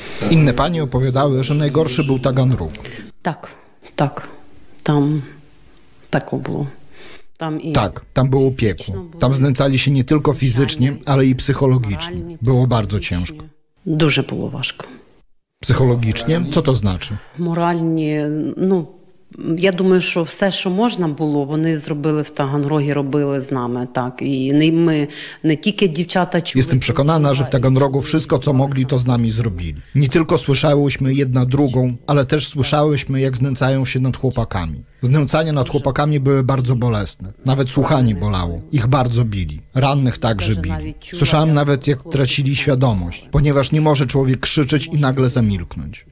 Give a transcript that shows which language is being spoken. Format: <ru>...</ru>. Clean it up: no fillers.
<pl>Inne panie opowiadały, że najgorszy był Taganrog. Tak, tak. Tam piekło było. Tam i tak, tam było piekło. Tam znęcali się nie tylko fizycznie, ale i psychologicznie. Było bardzo ciężko. Dużo było ważko. Psychologicznie? Co to znaczy? Moralnie, no, ja</pl> <uk>думаю, że все, що можна було, вони зробили в Таганрогі, робили з нами, так. І ми не тільки дівчата чули.</uk> <pl>Jestem przekonana, że w Taganrogu wszystko, co mogli, to z nami zrobili. Nie tylko słyszałyśmy jedna drugą, ale też słyszałyśmy, jak znęcają się nad chłopakami. Znęcania nad chłopakami były bardzo bolesne. Nawet słuchanie bolało. Ich bardzo bili. Rannych także bili. Słyszałam nawet, jak tracili świadomość, ponieważ nie może człowiek krzyczeć i nagle zamilknąć.</pl>